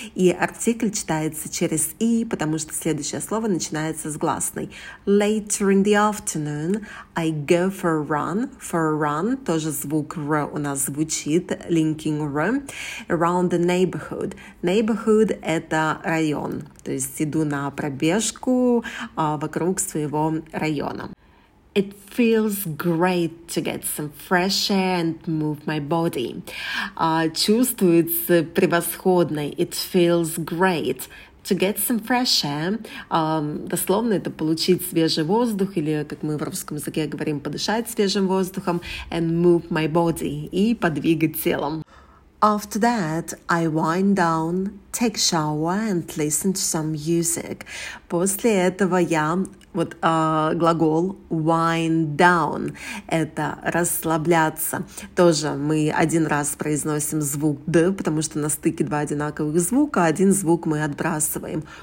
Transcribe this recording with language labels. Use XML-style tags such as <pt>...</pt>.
<ru>И артикль читается через i, потому что следующее слово начинается с гласной.</ru> <en>Later in the afternoon, I go for a run. For a run.</en> <ru>Тоже звук r у нас звучит.</ru> <en>Linking r. Around the neighborhood. Neighborhood –</en> <ru>это район. То есть иду на пробежку вокруг своего района.</ru> <en>It feels great to get some fresh air and move my body.</en> <ru>Чувствуется превосходно.</ru> <en>It feels great to get some fresh air.</en> <ru>Дословно это получить свежий воздух, или, как мы в русском языке говорим, подышать свежим воздухом,</ru> <en>and move my body,</en> <ru>и подвигать телом.</ru> <en>After that, I wind down, take a shower, and listen to some music.</en> <ru>После этого я, вот глагол wind down, это расслабляться. Тоже мы один раз произносим звук «д», потому что на стыке два одинаковых звука, один звук мы отбрасываем.</ru>